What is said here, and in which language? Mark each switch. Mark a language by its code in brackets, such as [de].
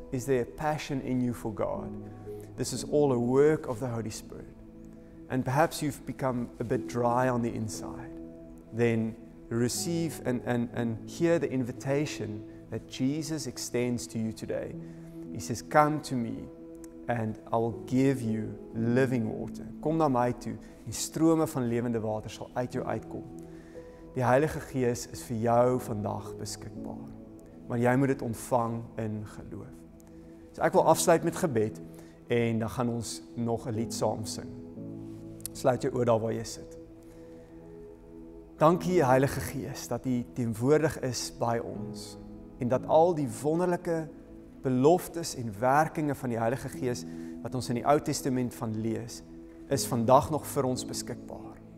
[en] Is there a passion in you for God? This is all a work of the Holy Spirit. And perhaps you've become a bit dry on the inside. Then receive and hear the invitation that Jesus extends to you today. He says, come to me and I will give you living water. [af] Kom na my toe en strome van lewende water sal uit jou uitkom. Die Heilige Gees is vir jou vandag beskikbaar. Maar jy moet dit ontvang in geloof. So ek wil afsluit met gebed en dan gaan ons nog 'n lied saam sing. Sluit jou oë daar waar jy sit. Dankie Heilige Gees dat U teenwoordig is by ons en dat al die wonderlike beloftes en werkinge van die Heilige Gees wat ons in die Ou Testament van lees, is vandag nog vir ons beskikbaar.